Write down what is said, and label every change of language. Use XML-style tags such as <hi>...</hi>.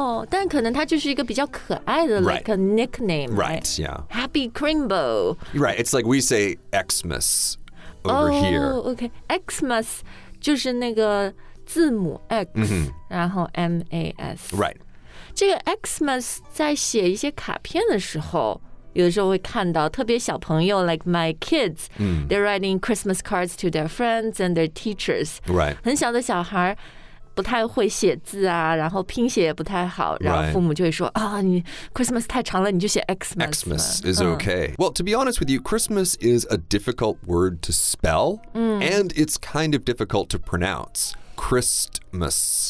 <zh>但可能它就是一个比较可爱的</zh> <en>right. like a nickname. Right, right, yeah. Happy crimble. Right, it's like we say Xmas over here. Oh, okay.</en> <zh>Xmas 就是那个字母 X,、mm-hmm. 然后 M-A-S.</zh> <en>Right.</en> <zh>这个 Xmas 在写一些卡片的时候有的时候会看到特别小朋友</zh> <en>like my kids、</en> <zh>mm.</zh> <en>they're writing Christmas cards to their friends and their teachers right</en> <zh>很小的小孩不太会写字啊然后拼写也不太好然后父母就会说、</zh> <en>right.</en> <zh>啊你 Christmas 太长了你就写 Xmas</zh> <en>Xmas is okay、嗯、well to be honest with you Christmas is a difficult word to spell、 mm. and it's kind of difficult to pronounce Christmas</en>